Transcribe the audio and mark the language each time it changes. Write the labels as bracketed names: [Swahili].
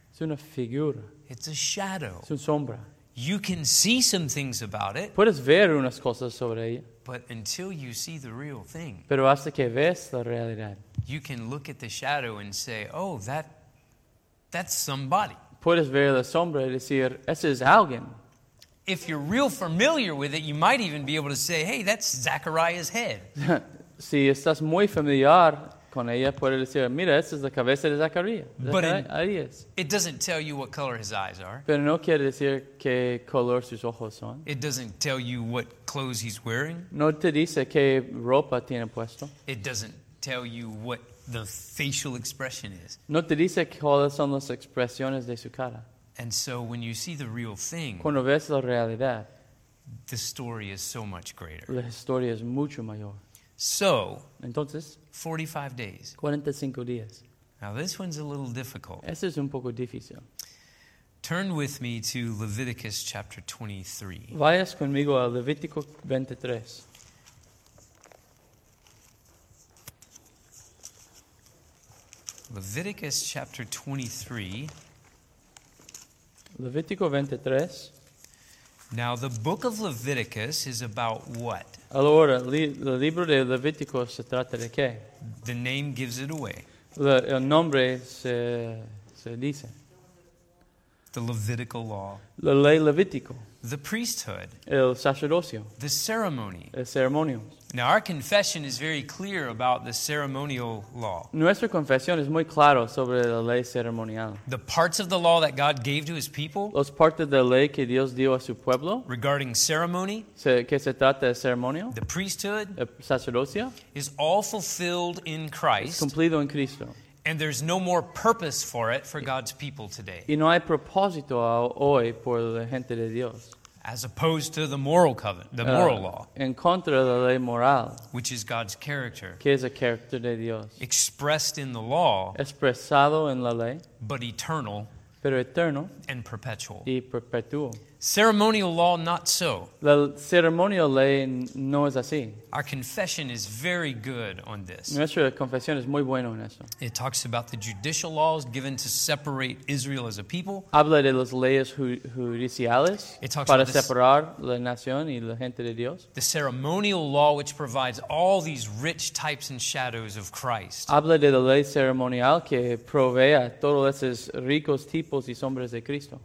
[Spanish] Es una figura. [English] It's a shadow. [Spanish] Es una sombra. [English] You can see some things about it. [Spanish] Puedes ver unas cosas sobre ella. [English] But until you see the real thing. [Spanish] Pero hasta que ves la realidad. [English] You can look at the shadow and say, "Oh, that's somebody." [Spanish] Puedes ver la sombra y decir, "Ese es alguien." [English] If you're real familiar with it, you might even be able to say, "Hey, that's Zachariah's head." [Spanish] Si estás muy familiar con ella, puedes decir, "Mira, esa es la cabeza de Zacarías." [English] But it doesn't tell you what color his eyes are. [Spanish] Pero no quiere decir qué color sus ojos son. [English] It doesn't tell you what clothes he's wearing. [Spanish] No te dice qué ropa tiene puesto. [English] It doesn't tell you what the facial expression is. [Spanish] No te dice cuáles son las expresiones de su cara. [English] And so when you see the real thing, [Spanish] cuando ves la realidad, [English] the story is so much greater. [Spanish] La historia es mucho mayor. [English] So, [Spanish] entonces, [English] 45 days. [Spanish] 45 días. [English] Now this one's a little difficult. [Spanish] Este es un poco difícil. [English] Turn with me to Leviticus chapter 23. [Spanish] Vayas conmigo a Levítico 23. [English] Leviticus chapter 23. [Spanish] Levítico 23. [English] Now the book of Leviticus is about what? [Spanish] Allora, el libro de Levítico se trata de qué? [English] The name gives it away. [Spanish] El nombre se dice. [English] The Levitical law. [Spanish] La ley levítico. [English] The priesthood. [Spanish] El sacerdocio. [English] The ceremony. [Spanish] El ceremonio. [English] Now our confession is very clear about the ceremonial law. [Spanish] Nuestra confesión es muy claro sobre la ley ceremonial. [English] The parts of the law that God gave to his people. [Spanish] Los partes de la ley que Dios dio a su pueblo. [English] Regarding ceremony. [Spanish] Que se trata de ceremonio. [English] The priesthood. [Spanish] El sacerdocio. [English] Is all fulfilled in Christ. [Spanish] Es cumplido en Cristo. [English] And there's no more purpose for it for God's people today. [Spanish] Y no hay propósito hoy por la gente de Dios. [English] As opposed to the moral covenant, the moral law. [Spanish] En contra de la ley moral. [English] Which is God's character. [Spanish] Que es el carácter de Dios. [English] Expressed in the law. [Spanish] Expresado en la ley. [English] But eternal. [Spanish] Pero eterno. [English] And perpetual. [Spanish] Y perpetuo. [English] Ceremonial law, not so. [Spanish] La ceremonial ley no es así. [English] Our confession is very good on this. [Spanish] Nuestra confesión es muy buena en eso. [English] It talks about the judicial laws given to separate Israel as a people. [Spanish] Habla de las leyes judiciales para separar la nación y la gente de Dios. [English] The ceremonial law, which provides all these rich types and shadows of Christ. [Spanish] Habla de la ley ceremonial que provee a todos esos ricos tipos y sombras de Cristo.